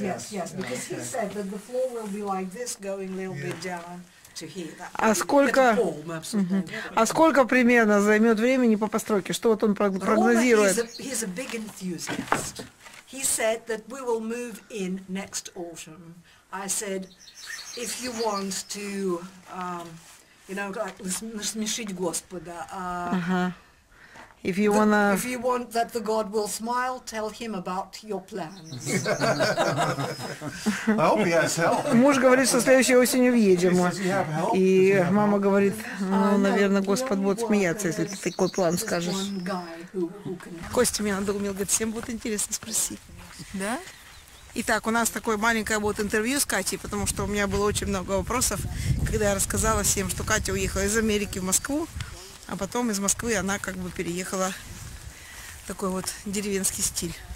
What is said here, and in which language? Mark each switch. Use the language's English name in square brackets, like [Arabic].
[English] Because okay. He said that the floor will be like this, going a little bit down to here. [Russian] А сколько... А сколько примерно займет времени по постройке? Что вот он прогнозирует? [English] He's a big enthusiast. He said that we will move in next autumn. I said... If you want to, you know, like, [Russian] смешить Господа. [English] If you want to... If you want that the God will smile, tell him about your plans. I hope he has help. [Russian] Муж говорит, со следующей осенью въедем. И мама говорит, ну, наверное, Господь будет смеяться, если ты такой план скажешь. Костя меня надоумил, говорит, всем будет интересно спросить. Да? Итак, у нас такое маленькое вот интервью с Катей, потому что у меня было очень много вопросов, когда я рассказала всем, что Катя уехала из Америки в Москву, а потом из Москвы она как бы переехала в такой вот деревенский стиль.